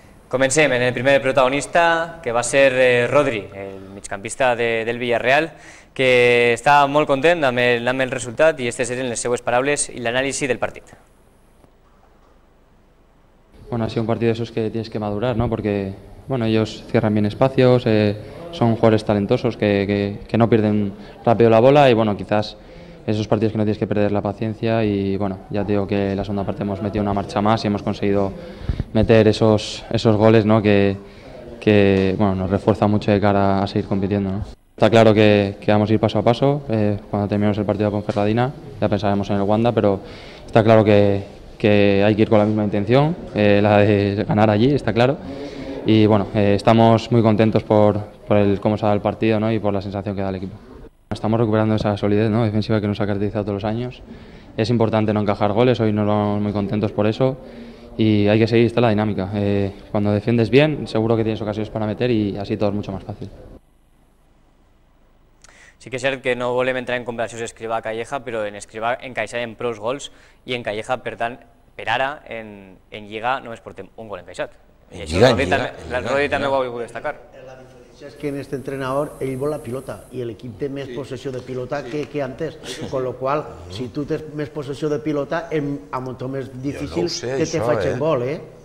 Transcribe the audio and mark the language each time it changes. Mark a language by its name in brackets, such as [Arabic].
[Catalan] Comencem amb el primer protagonista, que va ser Rodri, el migcampista del Villarreal, que està molt content amb el resultat i aquestes eren les seues paraules i l'anàlisi del partit. [Spanish] Bueno, ha sido un partido de esos que tienes que madurar, ¿no? Porque, bueno, ellos cierran bien espacios, son jugadores talentosos que no pierden rápido la bola y, bueno, quizás esos partidos que no tienes que perder la paciencia y, bueno, ya te digo que la segunda parte hemos metido una marcha más y hemos conseguido meter esos goles, ¿no? Que, bueno, nos refuerza mucho de cara a seguir compitiendo, ¿no? Está claro que vamos a ir paso a paso, cuando terminemos el partido con Ferradina ya pensaremos en el Wanda, pero está claro que hay que ir con la misma intención, la de ganar allí, está claro. Y bueno, estamos muy contentos por el cómo se ha dado el partido, ¿no? Y por la sensación que da el equipo. Estamos recuperando esa solidez, ¿no? Defensiva que nos ha caracterizado todos los años. Es importante no encajar goles, hoy nos vamos muy contentos por eso. Y hay que seguir, está la dinámica. Cuando defiendes bien, seguro que tienes ocasiones para meter y así todo es mucho más fácil. [Catalan] Sí que és cert que no volem entrar en comparacions Escrivà-Calleja, però en Escrivà encaixarem prou gols i en Calleja, per tant, per ara, en Lliga només portem un gol encaixat. En Lliga, en Lliga. L'Rodri també ho ha volgut destacar. La diferència és que en aquest entrenador ell vol la pilota i l'equip té més possessió de pilota que antes, con lo cual, si tu tens més possessió de pilota, és molt més difícil que te faci un gol, eh?